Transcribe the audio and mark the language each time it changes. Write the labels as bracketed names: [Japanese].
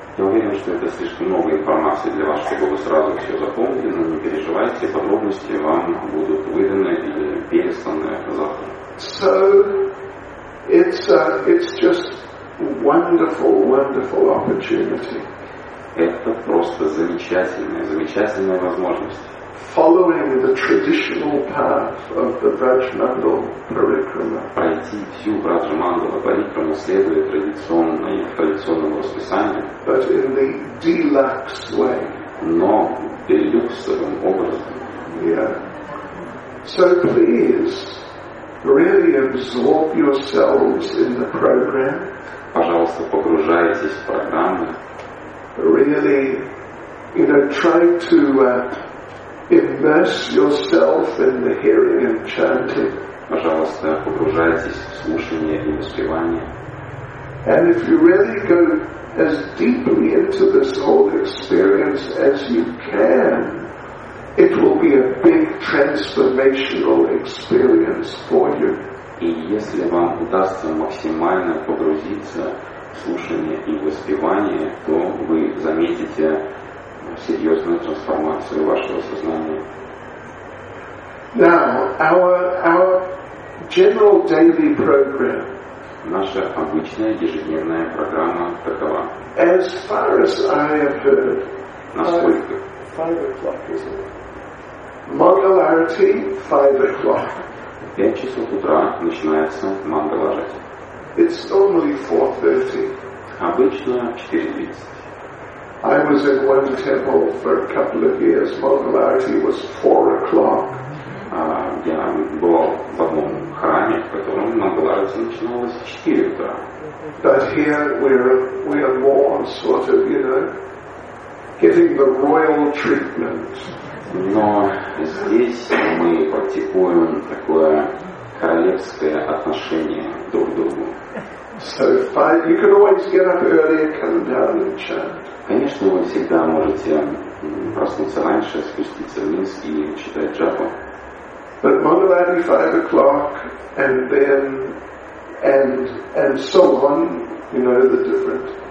[Russian] Я уверен, что это слишком много информации для вас, чтобы вы сразу все запомнили, но не переживайте, подробности вам будут выданы или пересланы завтра. [English] So it's just wonderful, wonderful opportunity. [Russian] Это просто замечательная, замечательная возможность. [English] Following the traditional path of the Vrajmandal Parikrama. [Russian] Пройти всю Vrajmandala Parikrama, следуя традиционному расписанию. [English] But in the deluxe way. [Russian] Но делюксовым образом. [English] Yeah. So please, really absorb yourselves in the program. [Russian] Пожалуйста, погружайтесь в программу. [English] Really, you know, try to immerse yourself in the hearing and chanting. [Russian] Пожалуйста, погружайтесь в слушание и воспевание. [English] And if you really go as deeply into this whole experience as you can, it will be a big transformational experience for you. [Russian] И если вам удастся максимально погрузиться в слушание и воспевание, то вы заметите серьезную трансформацию вашего сознания. [English] Now, our general daily program. [Russian] Наша обычная ежедневная программа такова. [English] As far as I have heard. [Russian] Насколько? [English] 5 o'clock, is it? Mangalarati, 5 o'clock. [Russian] В 5 часов утра начинается Мангаларати. [English] It's normally 4:30. [Russian] Обычно 4:30. [English] I was in one temple for a couple of years. Mangalarati was 4 o'clock. [Russian] Я был в одном храме, в котором Мангаларати начиналась в 4 утра. [English] But here we are more sort of, you know, getting the royal treatment. [Russian] Но здесь мы практикуем такое королевское отношение друг к другу. [English] So fine. You can always get up earlier, come down and chant. [Russian] Конечно, вы всегда можете проснуться раньше, спуститься вниз и читать джапу. [English] But Mangalarati 5 o'clock, and then and so on, you know, the different.